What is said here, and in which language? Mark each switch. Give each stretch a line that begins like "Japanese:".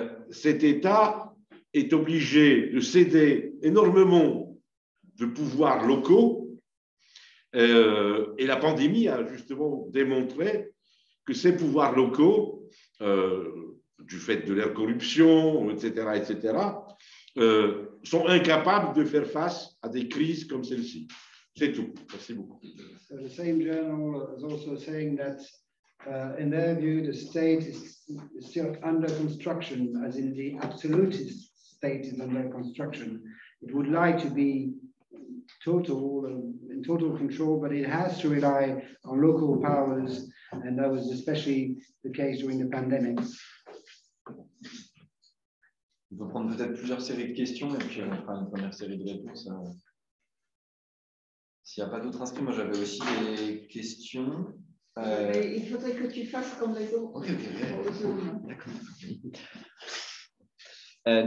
French: cet État est obligé de céder énormément de pouvoirs locaux, et la pandémie a justement démontré que ces pouvoirs locaux, du fait de leur corruption, etc., etc., sont incapables de faire face à des crises comme celle-ci. C'est tout. Merci beaucoup.
English: So the same journal is also saying that, in their view, the state is still under construction, as in the absolutist state is under construction. It would like to be total, in total control, but it has to rely on local powers, and that was especially the case during the pandemic.
French: On va prendre peut-être plusieurs séries de questions et puis on fera une première série de réponses. S'il n'y a pas d'autres inscrits, moi j'avais aussi des questions. Il faudrait que tu fasses comme les autres. Ok, ok. Ouais. D'accord.